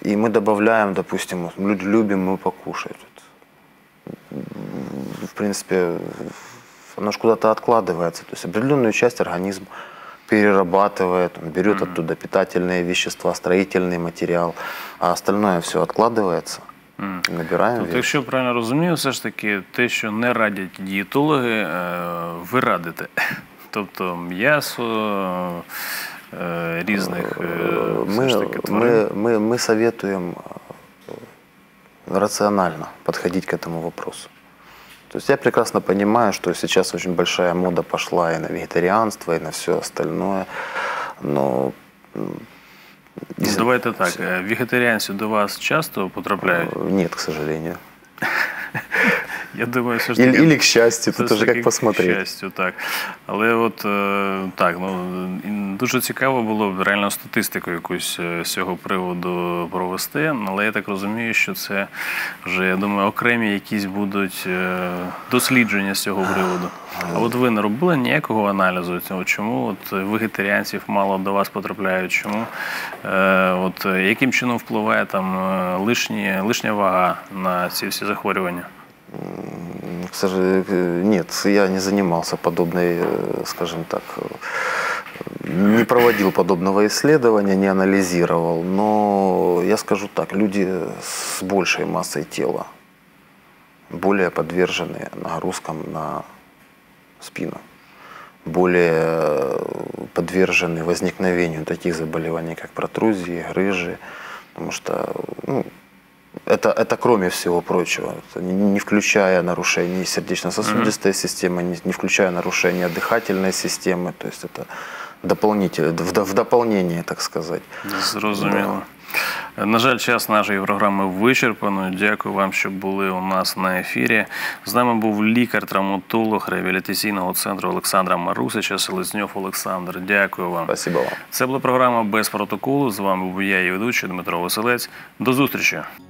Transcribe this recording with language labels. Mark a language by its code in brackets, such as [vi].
[ru] И мы добавляем, допустим, любим мы покушать. В принципе, оно же куда-то откладывается, то есть определенную часть организм перерабатывает, он берет оттуда питательные вещества, строительный материал, а остальное все откладывается. [uk] Набираємо вірш. Якщо правильно розумію, все ж таки те, що не радять дієтологи, ви радите. Тобто м'ясо різних тварин. Ми советуємо раціонально підходити до цього питання. [ru] То есть я прекрасно понимаю, что сейчас очень большая мода пошла и на вегетарианство, и на все остальное, но... Ну, давайте так, вегетарианцы до вас часто потрапляют? Нет, к сожалению. Я думаю, все ж таки... Или к счастью, тут уже как посмотреть. К счастью, так. [uk] Але от так, ну, дуже цікаво було б реально статистику якусь з цього приводу провести, але я так розумію, що це вже, я думаю, окремі якісь будуть дослідження з цього приводу. А от ви не робили ніякого аналізу, чому от вегетаріанців мало до вас потрапляють, чому? От яким чином впливає там лишня вага на ці всі захворювання? [ru] К сожалению, нет, я не занимался подобной, скажем так, не проводил подобного исследования, не анализировал, но я скажу так, люди с большей массой тела более подвержены нагрузкам на спину. более подвержены возникновению таких заболеваний, как протрузии, грыжи. Потому что это кроме всего прочего, не включая нарушений сердечно-сосудистой mm-hmm. системы, не включая нарушения дыхательной системы. То есть это в дополнение, так сказать. [uk] Зрозуміло. На жаль, час нашої програми вичерпано. Дякую вам, що були у нас на ефірі. З нами був лікар-травматолог реабілітаційного центру Олександра Марусича, Селезньов Олександр. Дякую вам. [ru] Спасибо вам. [uk] Це була програма «Без протоколу». З вами був я, її ведучий Дмитро Василець. До зустрічі!